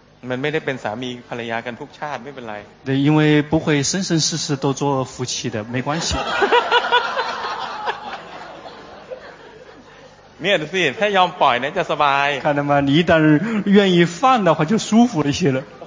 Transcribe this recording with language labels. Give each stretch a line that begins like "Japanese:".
Thai: มันไม่ได้เป็นสามีภรรยากันทุกชาติไม่เป็นไร
Chinese: 对因为不会生生世世都做夫妻的没关系
Thai: เนี่ยสิถ้ายอมปล่อยเนี่ยจะสบาย
Chinese: 看到吗你一旦愿意放的话就舒服一些了